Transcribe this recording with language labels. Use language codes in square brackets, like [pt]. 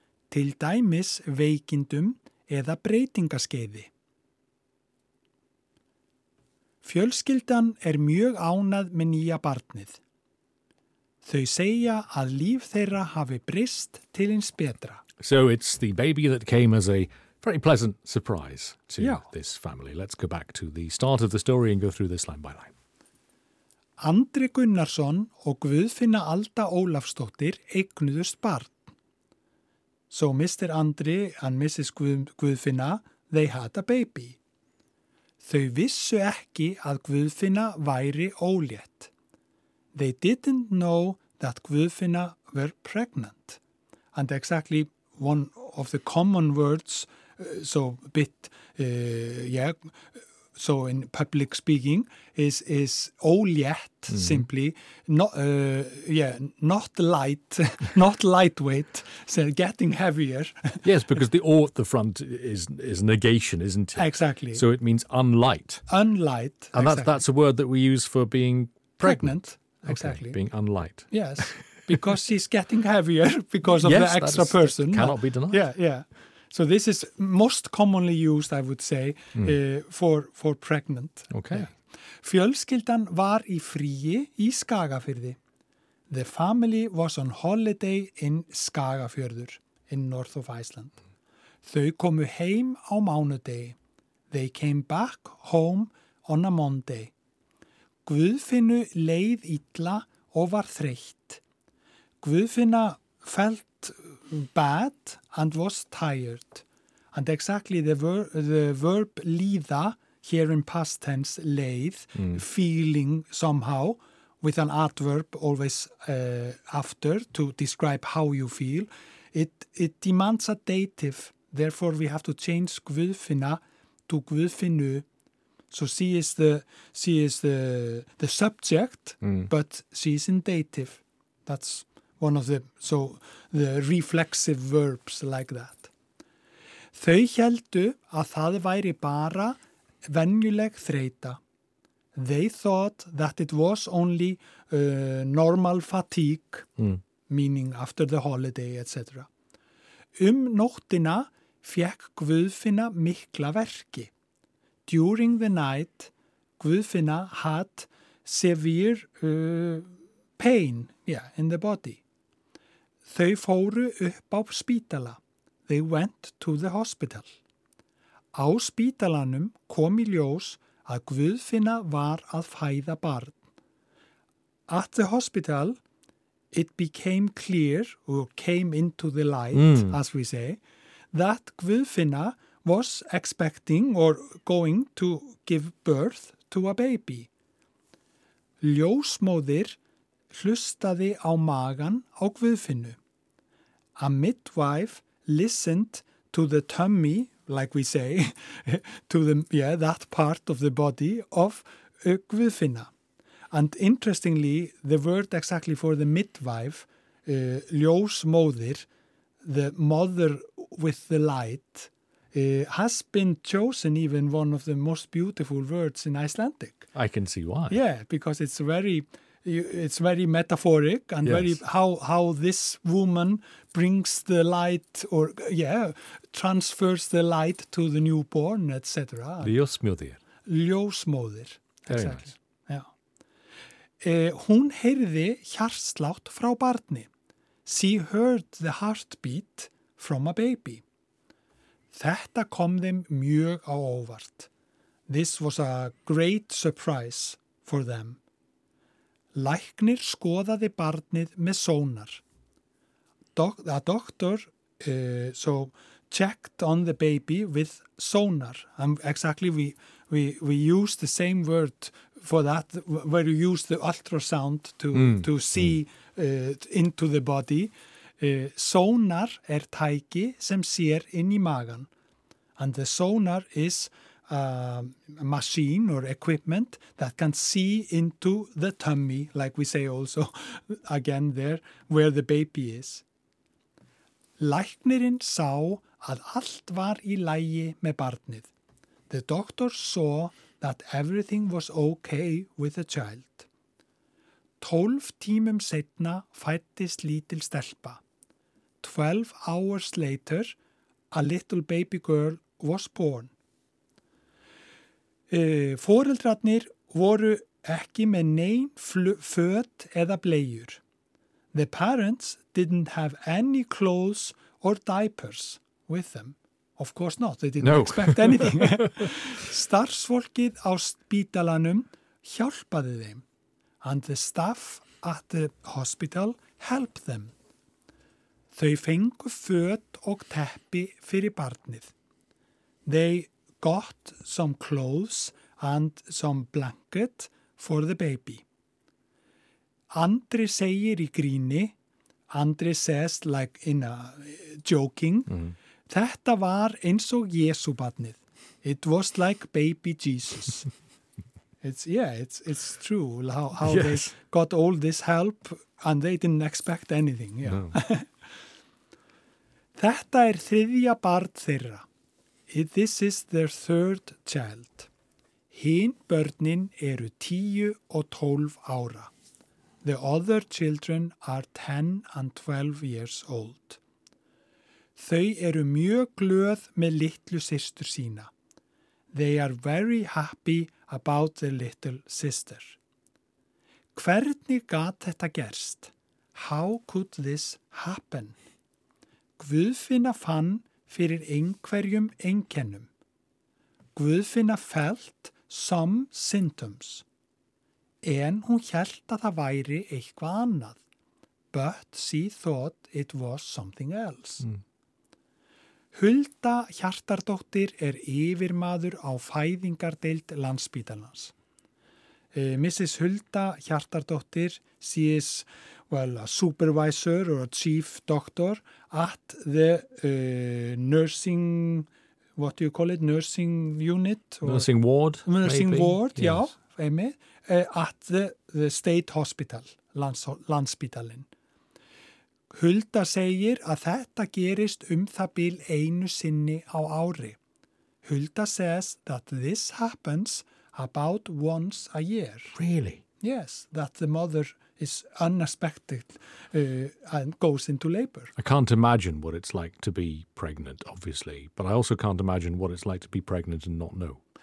[is] Til dæmis veikindum eða breytingaskeiði. Fjölskyldan mjög ánægð með nýja barnið. Þau segja að líf þeirra hafi breyst til hins betra. [en] So it's the baby that came as a very pleasant surprise to this family. Let's go back to the start of the story and go through this line by line. [is] Andri Gunnarsson og Guðfinna Alda Ólafsdóttir eignuðust barn. [en] So Mr. Andri and Mrs. Guðfinna, they had a baby. [is] Þau vissu ekki að Guðfinna væri ólétt. [en] They didn't know that Guðfinna were pregnant. And exactly one of the common words, so in public speaking, is ólétt, simply, not lightweight, so getting heavier. Yes, because the O at the front is negation, isn't it? Exactly. So it means unlight. Unlight, and exactly. That's a word that we use for being pregnant. Exactly. Okay, being unlight. Yes, because she's getting heavier because of the extra person. Yes, cannot be denied. Yeah. So this is most commonly used, I would say, for pregnant. Okay. Yeah. [is] Fjölskyldan var í fríi í Skagafirði. [en] The family was on holiday in Skagafjörður, in north of Iceland. [is] Þau komu heim á mánudegi. [en] They came back home on a Monday. [is] Guðfinnu leið illa og var þreytt. [en] Guðfinna felt bad and was tired. And exactly the verb líða here in past tense, leið, feeling somehow, with an adverb always after to describe how you feel, it demands a dative. Therefore, we have to change Guðfinna to Guðfinnu. So she is the subject, but she is in dative. That's one of the reflexive verbs like that. [is] Þau heldu að það væri bara venjuleg þreita. [en] They thought that it was only normal fatigue, meaning after the holiday, etc. [is] Nóttina fekk Guðfinna mikla verki. [en] During the night, Guðfinna had severe pain in the body. [is] Þau fóru upp á spítala. [en] They went to the hospital. [is] Á spítalanum kom í ljós að Guðfinna var að fæða barn. [en] At the hospital, it became clear, or came into the light, as we say, that Guðfinna was expecting or going to give birth to a baby. [is] Ljósmóðir hlustaði á magan á Guðfinnu. [en] A midwife listened to the tummy, like we say, to the, that part of the body of Guðfinna. And interestingly, the word exactly for the midwife, ljósmóðir, the mother with the light, has been chosen even one of the most beautiful words in Icelandic. I can see why. Yeah, because it's very metaphoric and very how this woman brings the light or transfers the light to the newborn, etc. [is] Ljósmóðir. [en] Exactly. Very nice. [is] Hún heyrði hjartslátt frá barni. [en] She heard the heartbeat from a baby. [is] Þetta kom þeim mjög á óvart. [en] This was a great surprise for them. [is] Læknir skoðaði barnið með sónar. [en] A doctor checked on the baby with sónar. And exactly, we use the same word for that, where you use the ultrasound to see into the body. [is] Sónar tæki sem sér inn í magan. [en] And the sónar is a machine or equipment that can see into the tummy, like we say also again there, where the baby is. [is] Læknirinn sá að allt var í lagi með barnið. [en] The doctor saw that everything was okay with the child. [is] 12 tímum setna fæddist lítil stelpa. [en] 12 hours later, a little baby girl was born. [is] Foreldrarnir voru ekki með nein föt eða bleiur. [en] The parents didn't have any clothes or diapers with them. Of course not, they didn't expect anything. [is] Starfsfólkið á spítalanum hjálpaði þeim [en] and the staff at the hospital helped them. [is] Þau fengu föt og teppi fyrir barnið. [en] They got some clothes and some blanket for the baby. [is] Andri segir í gríni, [en] Andri says like in a joking, [is] Þetta var eins og Jesúbarnið. [en] It was like baby Jesus. It's true how they got all this help and they didn't expect anything. Yeah. No. [is] Þetta þriðja barn þeirra. [en] This is their third child. [is] Hin börnin eru 10 og 12 ára. [en] The other children are 10 and 12 years old. [is] Þau eru mjög glöð með litlu systur sína. [en] They are very happy about their little sister. [is] Hvernig gat þetta gerst? [en] How could this happen? [is] Guðfinna fann fyrir einhverjum einkennum. [en] Guðfinna felt some symptoms. [is] En hún hélt að það væri eitthvað annað. [en] but she thought it was something else. [is] Hulda Hjartardóttir er yfirmaður á fæðingardeild Landspítalans. [en] Mrs. Hulda Hjartardóttir, she is well, a supervisor or a chief doctor at the nursing, what do you call it, nursing unit? Or nursing ward, nursing maybe. Ward, yes. Já, emi, at the state hospital, Landspítalinn. [is] Hulda segir að þetta gerist það bil einu sinni á ári. [en] Hulda says that this happens about once a year. Really? Yes, that the mother is unexpected and goes into labor. I can't imagine what it's like to be pregnant, obviously, but I also can't imagine what it's like to be pregnant and not know.